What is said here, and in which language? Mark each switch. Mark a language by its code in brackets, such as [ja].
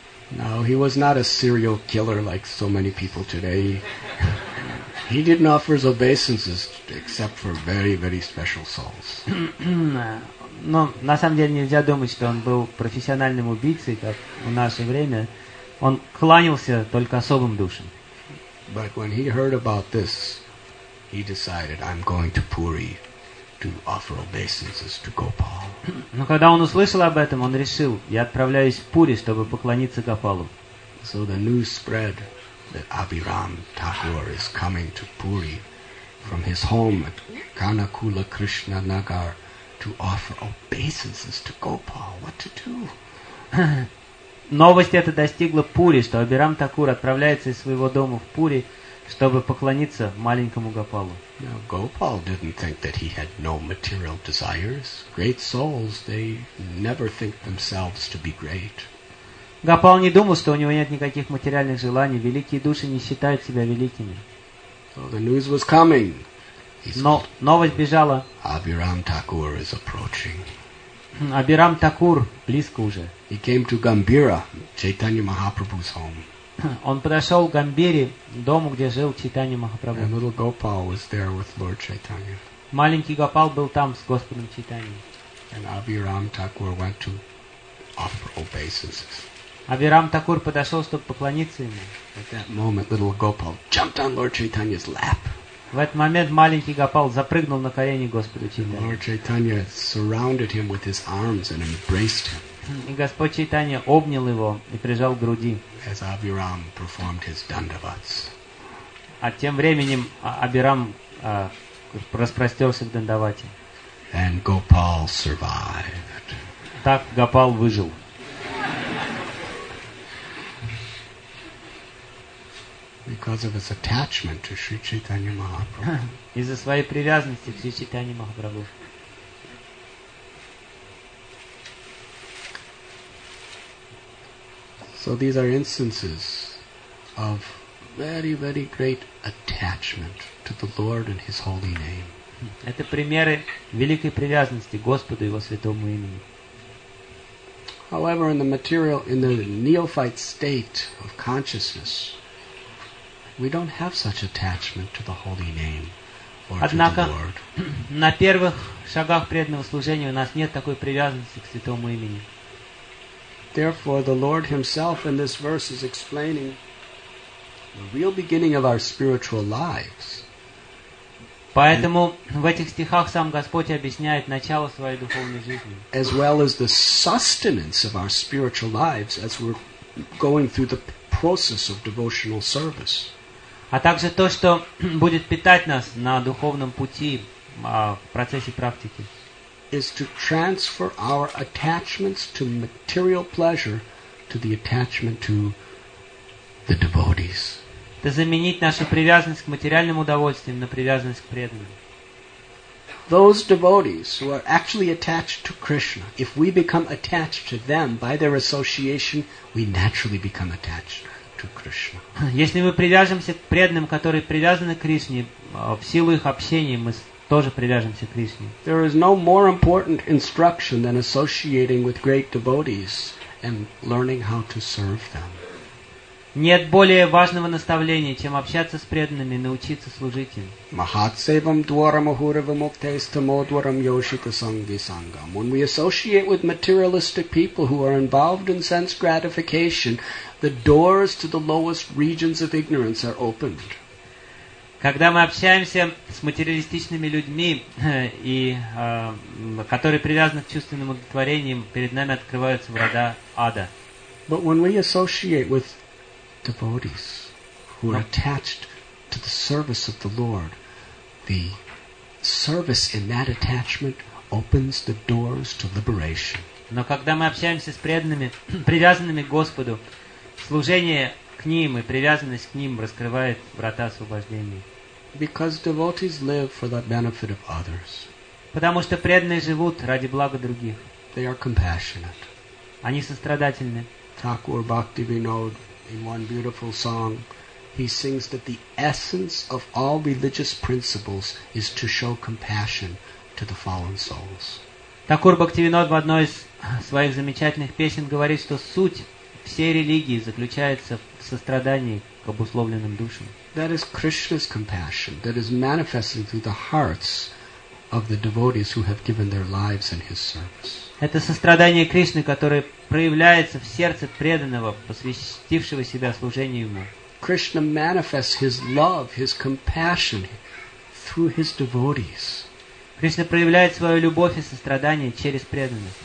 [en] No, he was not a serial killer like so many people today. He didn't offer his obeisances except for very, very special souls. [ru] Но на самом деле нельзя думать, что он был профессиональным убийцей, как в наше время. Он кланялся только особым душам. [en] But when he heard about this, he decided, I'm going to Puri to offer obeisances to Gopal. [ru] Но когда он услышал об этом, он решил, я отправляюсь в Пури, чтобы поклониться Гопалу. [en] So the news spread that Abhiram Thakur is coming to Puri from his home at Kanakula Krishna Nagar to offer obeisances to Gopal. What to do? [ru] Новость эта достигла Пури, что Абирам Такур отправляется из своего дома в Пури, чтобы поклониться маленькому Гопалу. [en] Now, Gopal didn't think that he had no material desires. Great souls, they never think themselves to be great. [ru] Гопал не думал, что у него нет никаких материальных желаний. Великие души не считают себя великими. [en] So the news was coming. [ru] Но новость бежала. [en] Abhiram Thakur is approaching. [ru] Абирам Такур близко уже. [en] He came to Gambira, Chaitanya Mahaprabhu's home. [ru] Он подошел к Гамбире, дому, где жил Чайтанья Махапрабху. [en] And little Gopal was there with Lord Chaitanya. [ru] Маленький Гопал был там с Господом Чайтаньей. [en] And Abhiram Thakur went to offer obeisances. [ru] Абирам Такур подошел, чтобы поклониться ему. [en] At that moment, little Gopal jumped on Lord Chaitanya's lap. [ru] В этот момент маленький Гопал запрыгнул на колени Господу Чайтанье. [en] Lord Chaitanya surrounded him with his arms and embraced him. [ru] И Господь Чайтанья обнял его и прижал к груди. [en] As Abhiram performed his dandavats. [ru] А тем временем Абирам распростерся в дандавате. [en] And Gopal survived. [ru] Так Гопал выжил. [en] Because of his attachment to Sri Chaitanya Mahaprabhu. [ru] Из-за своей привязанности к Шри Чайтанье Махапрабху. [en] So these are instances of very, very great attachment to the Lord and His holy name. [ru] Это примеры великой привязанности к Господу и Его святому имени. [en] However, in the material, in the neophyte state of consciousness, we don't have such attachment to the holy name or [ru] Однако, [en] to the Lord. [ru] На первых шагах преданного служения у нас нет такой привязанности к святому имени. [en] Therefore, the Lord Himself in this verse is explaining the real beginning of our spiritual lives. [ru] Поэтому в этих стихах сам Господь объясняет начало своей духовной жизни. [en] As well as the sustenance of our spiritual lives as we're going through the process of devotional service. [ru] А также то, что будет питать нас на духовном пути в процессе практики. [en] Is to transfer our attachments to material pleasure to the attachment to the devotees. [ru] Это заменить нашу привязанность к материальным удовольствиям на привязанность к преданным. [en] Those devotees who are actually attached to Krishna, if we become attached to them by their association, we naturally become attached to Krishna. [ru] Если мы привяжемся к преданным, которые привязаны к Кришне, в силу их общения мы тоже привяжемся к Кришне. [en] There is no more important instruction than associating with great devotees and learning how to serve them. [ru] Нет более важного наставления, чем общаться с преданными и научиться служить им. [sa] Махатсевам дворам ахурава муктейстамо дворам йошита санги сангам. [en] When we associate with materialistic people who are involved in sense gratification, the doors to the lowest regions of ignorance are opened. [ru] Когда мы общаемся с материалистичными людьми, и которые привязаны к чувственным удовлетворениям, перед нами открываются врата ада. [en] But when we associate with devotees who are attached to the service of the Lord, the service in that attachment opens the doors to liberation. [ru] Но когда мы общаемся с преданными, привязанными к Господу, служение к ним и привязанность к ним раскрывает врата освобождения. [en] Because devotees live for the benefit of others. [ru] Потому что преданные живут ради блага других. [en] They are compassionate. [ru] Они сострадательны. [en] Thakur Bhaktivinod, in one beautiful song, he sings that the essence of all religious principles is to show compassion to the fallen souls. [ru] Thakur Bhaktivinod в одной из своих замечательных песен говорит, что суть всей религии заключается в сострадании к обусловленным душам. [en] That is Krishna's compassion that is manifesting through the hearts of the devotees who have given their lives in his service. [ru] Это сострадание Кришны, которое проявляется в сердце преданного, посвятившего себя служению ему. [en] Krishna manifests his love, his compassion through his devotees. [ru] Кришна проявляет свою любовь и сострадание через преданных.